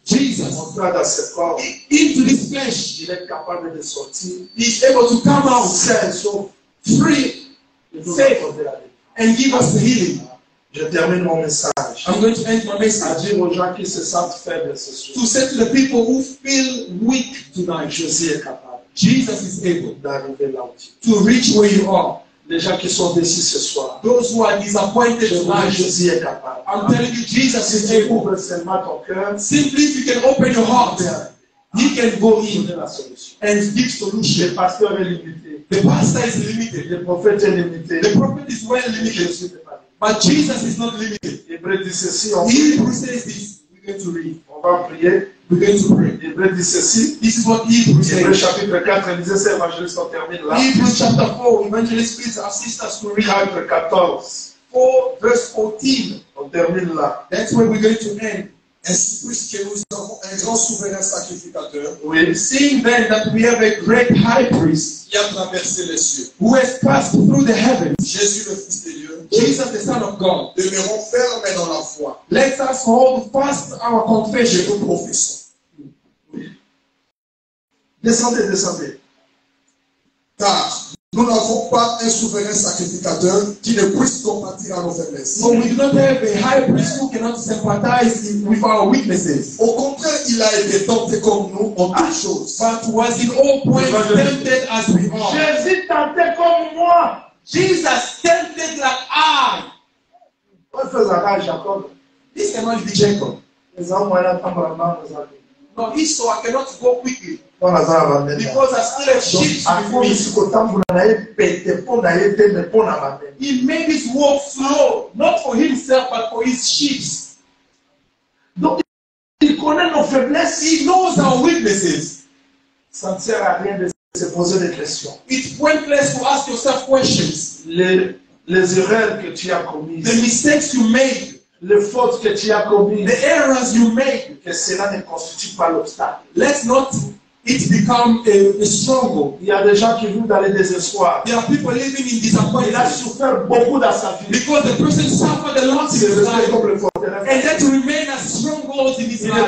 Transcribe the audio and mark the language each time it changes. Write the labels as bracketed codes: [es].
[en] Jesus. Into this flesh. He's able to come out. Free. Safe. And give us the healing. [fr] Je termine mon message. [en] I'm going to end my message. [fr] Dire aux gens qui se sentent faibles ce soir. [en] To say to the people who feel weak tonight, [fr] Jésus est capable. [en] Jesus is able [fr] d'arriver là où tu es. [en] To reach where you are. [fr] Les gens qui sont déçus ce soir. [en] Those who are disappointed tonight, [fr] Jésus est capable. [en] I'm telling you, Jesus is able. [fr] Si tu ouvres seulement ton cœur, [en] simply if you can open your heart, he can go in and give solution. [fr] Le pasteur est limité. [en] The pastor is limited. [fr] Le prophète est limité. [en] The prophet is well limited. But Jesus is not limited. [fr] Hébreux dit ceci. [en] Hébreux says this. We're going to read. [fr] On va prier. [en] We're going to pray. [fr] Hébreux dit ceci. [en] This is what Hébreux says. [fr] Hébreux chapitre 4, lisez ces évangélistes, on termine là. [en] Hébreux [fr] chapitre [en] 4, evangelist, please assist us to read. [fr] Chapitre 14. [en] 4, verse 14. [fr] On termine là. [en] That's where we're going to end. [fr] Ainsi, puisque nous avons un grand souverain sacrificateur, oui. [en] Seeing then that we have a great high priest [fr] qui a traversé les cieux, [en] who has passed through the heavens, [fr] Jésus le Fils de Dieu, [en] Jesus the Son of God, [fr] demeurons fermés dans la foi. [en] Let us hold fast our confession. [fr] Et nous professons. Descendez, descendez. Car nous n'avons pas un souverain sacrificateur qui ne puisse compatir à nos faiblesses. [en] So we do not have a high priest who cannot sympathize with our weaknesses. [fr] Au contraire, il a été tenté comme nous en toutes choses. [en] But was in all points tempted as we are. [fr] Jésus tenté comme moi. [en] Jesus tempted like I. [fr] Quoi faisait Jacob? [en] This cannot be Jacob. [fr] Les hommes ont été vraiment les hommes. [en] No, he saw I cannot go quickly. Because I still have sheep. He made his work flow, not for himself, but for his sheep. [fr] Donc, il connaît nos faiblesses. [en] He knows our weaknesses. [fr] Ça ne sert à rien de se poser des questions. [en] It's pointless to ask yourself questions. [fr] Les erreurs que tu as commises. [en] The mistakes you made. [fr] Les fautes que tu as commises. [en] The errors you made. [fr] Que cela ne constitue pas l'obstacle. [en] Let's not. It's become a struggle. [fr] Il y a des gens qui vivent dans le désespoir. [en] There are people living in disappointment. [fr] Il a souffert beaucoup dans sa vie. [en] Because the person suffered a lot in his life. And that remain as strongholds in his life.